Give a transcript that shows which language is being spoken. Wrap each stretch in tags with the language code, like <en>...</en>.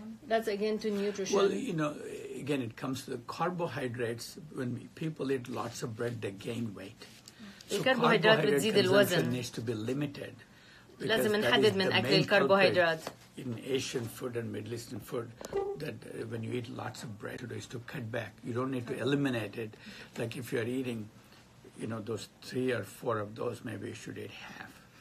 <en>That's again to nutrition. Well, you know, again, it comes to the carbohydrates. When people eat lots of bread, they gain weight. So carbohydrate consumption needs to be limited.</en> <ar>لازم نحدد من أكل الكربوهيدرات.</ar> <en>In Asian food and Middle Eastern food, that when you eat lots of bread, it is to cut back. You don't need to eliminate it. Like if you are eating, you know, those three or four of those, maybe you should eat half.</en>